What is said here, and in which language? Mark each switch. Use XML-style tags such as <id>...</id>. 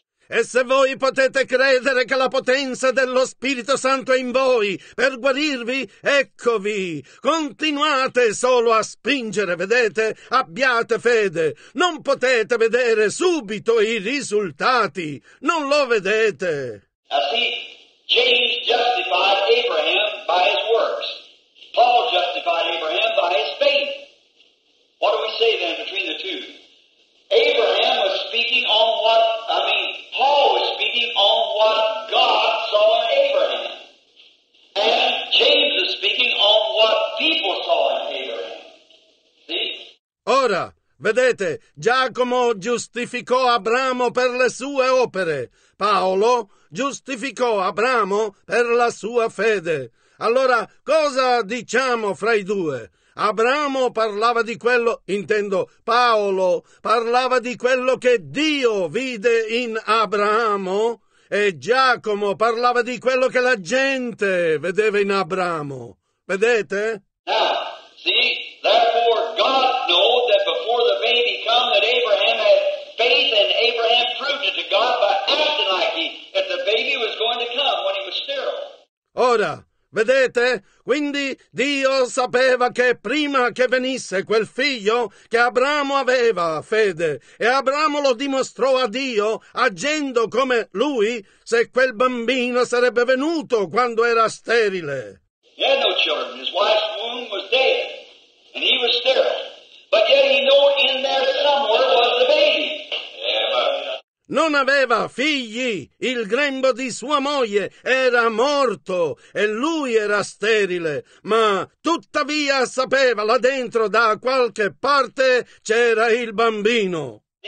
<it>E se voi potete credere che la potenza dello Spirito Santo è in voi per guarirvi, eccovi. Continuate solo a spingere, vedete? Abbiate fede. Non potete vedere subito i risultati. Non lo vedete.</it> <en>James justified Abraham by his works. Paul justified Abraham by his faith. What do we say then between the two? Abraham was speaking on what, Paul was speaking on what God saw in Abraham. And James is speaking on what people saw in Abraham. See?</en> <it>Ora. Vedete, Giacomo giustificò Abramo per le sue opere. Paolo giustificò Abramo per la sua fede. Allora, cosa diciamo fra i due? Abramo parlava di quello, intendo, Paolo parlava di quello che Dio vide in Abramo e Giacomo parlava di quello che la gente vedeva in Abramo. Vedete?</it> <en>Therefore God knows that before the baby come that Abraham had faith, and Abraham proved it to God by acting like he, that the baby was going to come when he was sterile.</en> <it>Ora. Vedete? Quindi Dio sapeva che prima che venisse quel figlio che Abramo aveva fede, e Abramo lo dimostrò a Dio agendo come lui, se quel bambino sarebbe venuto quando era sterile.</it> <en>He had no children. His wife's womb was dead and he was sterile. But yet he knew in there somewhere was the baby. Yeah, but... No</en> <it>non aveva figli, il grembo di sua moglie era morto e lui era sterile, ma tuttavia sapeva là dentro da qualche parte c'era il bambino.</it>